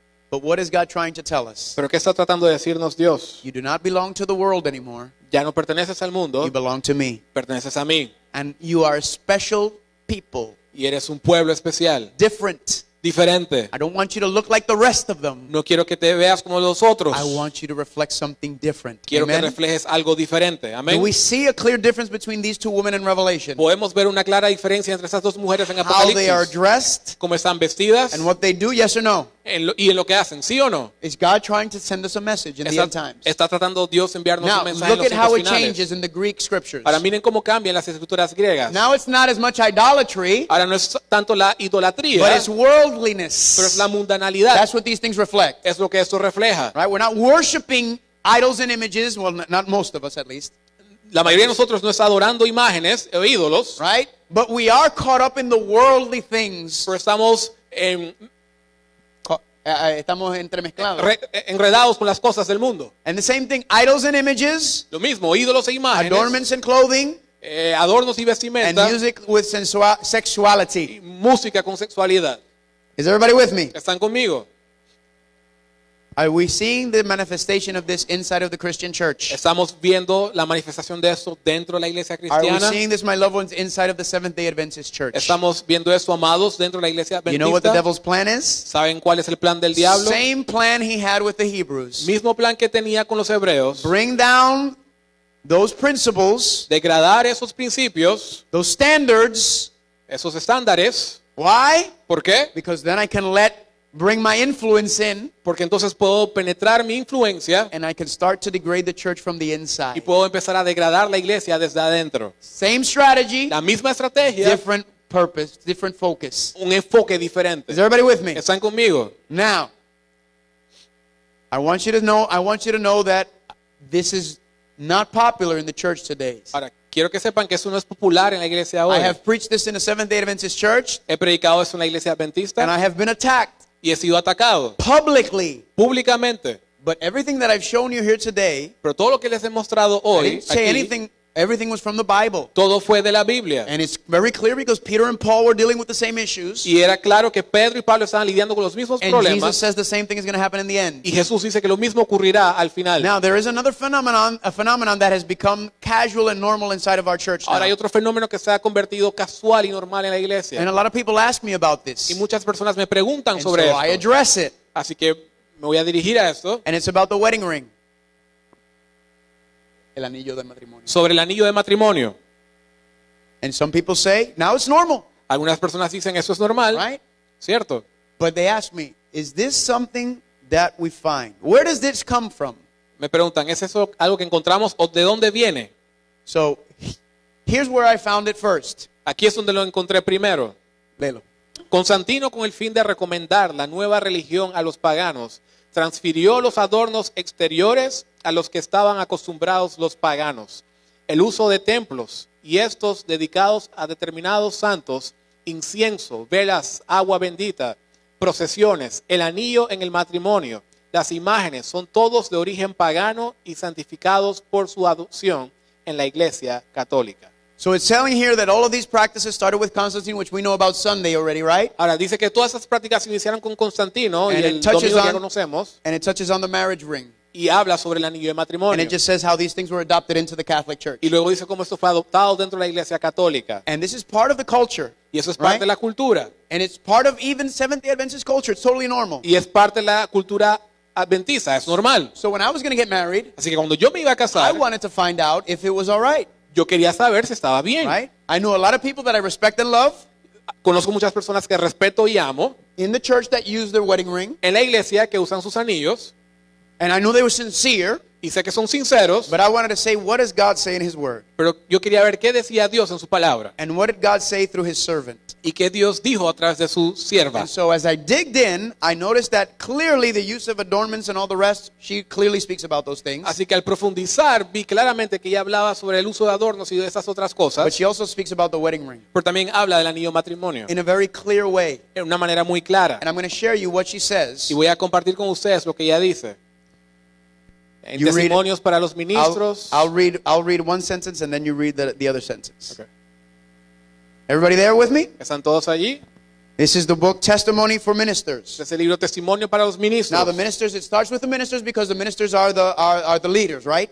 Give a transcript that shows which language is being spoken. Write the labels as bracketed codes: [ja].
[en] But what is God trying to tell us? [es] ¿Pero qué está tratando de decirnos Dios? [en] You do not belong to the world anymore. [es] Ya no perteneces al mundo. [en] You belong to me. [es] Perteneces a mí. [en] And you are a special people. [es] Y eres un pueblo especial. [en] Different. [es] Diferente. [en] I don't want you to look like the rest of them. [es] No quiero que te veas como los otros. [en] I want you to reflect something different. [es] Quiero [en] amen? [es] Que reflejes algo diferente. Amen. [en] Do we see a clear difference between these two women in Revelation? [es] Podemos ver una clara diferencia entre esas dos mujeres en Apocalipsis. [en] How they are dressed. [es] Cómo están vestidas. [en] And what they do, yes or no? [es] en lo que hacen, ¿sí o no? [en] Is God trying to send us a message in the end times? [es] Está tratando Dios enviarnos [en] Now, [es] un mensaje [en] look [es] en los [en] at how [es] finales. [en] It changes in the Greek scriptures. [es] Ahora miren cómo cambian las escrituras griegas. [en] Now it's not as much idolatry. [es] Ahora no es tanto la idolatría. [en] But it's worldliness. [es] Pero es la mundanalidad. [en] That's what these things reflect. [es] Es lo que esto refleja. [en] Right? We're not worshiping idols and images. Well, not most of us, at least. [es] La mayoría de nosotros no está adorando imágenes o ídolos. [en] Right? But we are caught up in the worldly things. [es] Pero estamos en Estamos entremezclados, enredados con las cosas del mundo. [en] And the same thing, idols and images, [es] lo mismo, ídolos e imágenes, [en] adornments and clothing, [es] adornos y vestimenta, [en] and music with sexuality, [es] música con sexualidad. [en] Is everybody with me? [es] ¿Están conmigo? [en] Are we seeing the manifestation of this inside of the Christian church? [es] ¿Estamos viendo la manifestación de esto dentro de la iglesia cristiana? [en] Are we seeing this, my loved ones, inside of the Seventh-day Adventist church? [es] ¿Estamos viendo esto, amados, dentro de la iglesia adventista? [en] You know what the devil's plan is? [es] ¿Saben cuál es el plan del diablo? [en] Same plan he had with the Hebrews. [es] Mismo plan que tenía con los hebreos. [en] Bring down those principles. [es] Degradar esos principios. [en] Those standards. [es] Esos estándares. [en] Why? [es] ¿Por qué? [en] Because then I can let bring my influence in, [es] porque entonces puedo penetrar mi influencia, [en] and I can start to degrade the church from the inside. [es] Y puedo empezar a degradar la iglesia desde adentro. [en] Same strategy, [es] la misma estrategia, [en] different purpose, different focus. [es] Un enfoque diferente. [en] Is everybody with me? [es] ¿Están conmigo? [en] Now, I want you to know that this is not popular in the church today. [es] Ahora, quiero que sepan que eso no es popular en la iglesia hoy. [en] I have preached this in a Seventh-day Adventist church. [es] He predicado eso en la iglesia adventista. [en] And I have been attacked. [es] Y he sido atacado [en] publicly, [es] públicamente. [en] But everything that I've shown you here today, [es] pero todo lo que les he mostrado hoy, [en] I didn't say anything. Everything was from the Bible. [es] Todo fue de la Biblia. [en] And it's very clear because Peter and Paul were dealing with the same issues. [es] Y era claro que Pedro y Pablo estaban lidiando con los mismos [en] and [es] problemas. [en] Jesus says the same thing is going to happen in the end. [es] Y Jesús dice que lo mismo ocurrirá al final. [en] Now there is another phenomenon, a phenomenon that has become casual and normal inside of our church. [es] Ahora [en] now. [es] Hay otro fenómeno que se ha convertido casual y normal en la iglesia. [en] And a lot of people ask me about this. [es] Y muchas personas me preguntan [en] and [es] sobre esto. [en] I address it. [es] Así que me voy a dirigir a esto. And it's about the wedding ring. El anillo de matrimonio. Sobre el anillo de matrimonio. [en] And some people say, now it's normal. [es] Algunas personas dicen eso es normal, [en] right? [es] Cierto. [en] But they ask me, is this something that we find? Where does this come from? [es] Me preguntan, ¿es eso algo que encontramos o de dónde viene? [en] So, here's where I found it first. [es] Aquí es donde lo encontré primero. Léelo. Constantino, con el fin de recomendar la nueva religión a los paganos, transfirió los adornos exteriores a los que estaban acostumbrados los paganos. El uso de templos y estos dedicados a determinados santos, incienso, velas, agua bendita, procesiones, el anillo en el matrimonio, las imágenes son todos de origen pagano y santificados por su adopción en la iglesia católica. [en] So it's telling here that all of these practices started with Constantine, which we know about Sunday already, right? [es] Ahora dice que todas esas prácticas iniciaron con Constantino y el domingo ya conocemos. [en] And it touches on the marriage ring. [es] Y habla sobre el anillo de matrimonio. [en] And it just says how these things were adopted into the Catholic Church. [es] Y luego dice cómo esto fue adoptado dentro de la Iglesia Católica. [en] And this is part of the culture. [es] Y eso es parte [en] right? [es] de la cultura. [en] And it's part of even Seventh-day Adventist culture. It's totally normal. [es] Y es parte de la cultura adventista. Es normal. [en] So when I was going to get married, [es] así que cuando yo me iba a casar, [en] I wanted to find out if it was all right. [es] Yo quería saber si estaba bien. [en] Right? I knew a lot of people that I respect and love. [es] Conozco muchas personas que respeto y amo. [en] In the church that use their wedding ring. [es] En la iglesia que usan sus anillos. [en] And I knew they were sincere. [es] Y sé que son sinceros. [en] But I wanted to say, what does God say in His Word? [es] Pero yo quería ver qué decía Dios en su palabra. [en] And what did God say through His servant? [es] Y qué Dios dijo a través de su sierva. [en] And so as I digged in, I noticed that clearly the use of adornments and all the rest, she clearly speaks about those things. [es] Así que al profundizar, vi claramente que ella hablaba sobre el uso de adornos y de esas otras cosas. [en] But she also speaks about the wedding ring. [es] Pero también habla del anillo matrimonio. [en] In a very clear way. [es] En una manera muy clara. [en] And I'm going to share you what she says. [es] Y voy a compartir con ustedes lo que ella dice. En testimonios read, para los ministros. [en] I'll read one sentence and then you read the other sentence. Okay. Everybody there with me? [es] ¿Están todos allí? [en] This is the book Testimony for Ministers. [es] Es el libro Testimonio para los ministros. [en] Now the ministers, it starts with the ministers because the ministers are the leaders, right?